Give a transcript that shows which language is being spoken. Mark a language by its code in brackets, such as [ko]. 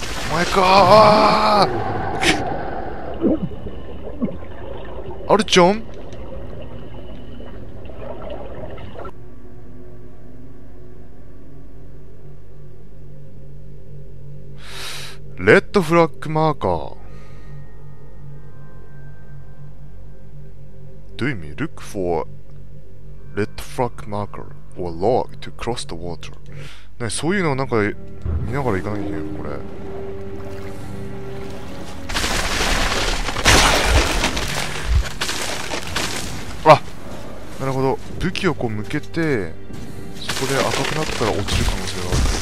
[ja] お前かアルチョン。 [en] レッドフラッグマーカー。 Do you mean look for red flag marker or log to cross the water? [ja] ね、そういうのをなんか見ながら行かなきゃいけないよこれ。あ、なるほど。武器をこう向けて、そこで赤くなったら落ちる可能性がある。